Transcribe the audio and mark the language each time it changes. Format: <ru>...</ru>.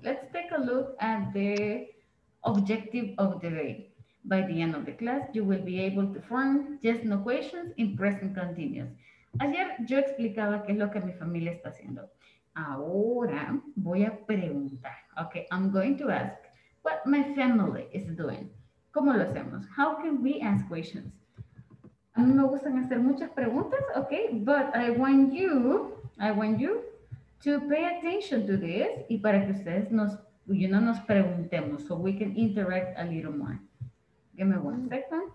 <en>Let's take a look at the objective of the day. By the end of the class, you will be able to form yes no questions in present continuous.</en> <es>Ayer yo explicaba qué es lo que mi familia está haciendo. Ahora voy a preguntar.</es> <en>Okay, I'm going to ask what my family is doing.</en> <es>¿Cómo lo hacemos?</es> <en>How can we ask questions?</en> <es>A mí me gustan hacer muchas preguntas, okay?</es> <en>But I want you to pay attention to this</en> <es>y para que ustedes nos preguntemos</es> <en>so we can interact a little more. Give me one second.</en>